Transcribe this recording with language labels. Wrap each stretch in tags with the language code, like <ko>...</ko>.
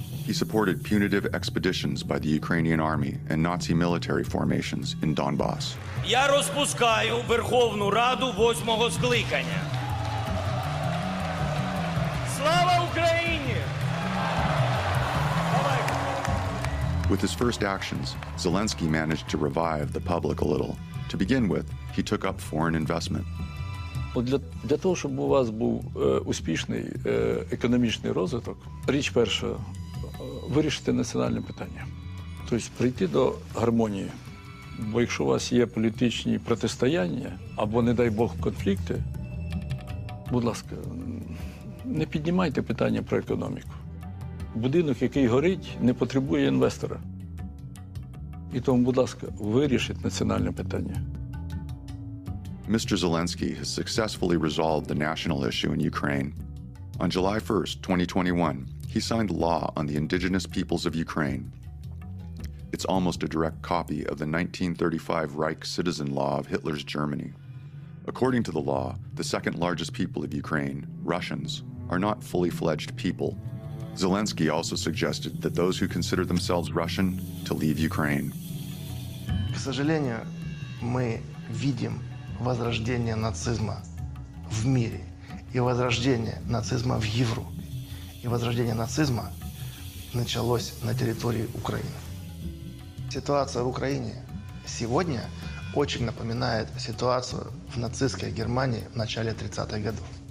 <en>He supported punitive expeditions by the Ukrainian army and Nazi military formations in Donbass.</en> <uk>Я розпускаю Верховну Раду восьмого скликання. Слава Україні!</uk> <en>With his first actions, Zelensky managed to revive the public a little. To begin with, he took up foreign investment.</en> <uk>Для того, щоб у вас був успішний економічний розвиток, річ перша – вирішити національне питання. Тобто прийти до гармонії. Бо якщо у вас є політичні протистояння або, не дай Бог, конфлікти, будь ласка, не піднімайте питання про економіку. Будинок, який горить, не потребує інвестора. І тому, будь ласка, вирішіть національне питання.</uk> <en>Mr. Zelensky has successfully resolved the national issue in Ukraine. On July 1st, 2021, he signed law on the indigenous peoples of Ukraine. It's almost a direct copy of the 1935 Reich citizen law of Hitler's Germany. According to the law, the second largest people of Ukraine, Russians, are not fully fledged people. Zelensky also suggested that those who consider themselves Russian to leave Ukraine.</en> <ru>К сожалению, мы видим возрождение нацизма в мире и возрождение нацизма в Европе. И возрождение нацизма началось на территории Украины. Ситуация в Украине сегодня очень напоминает ситуацию в нацистской Германии в начале 30-х годов.</ru>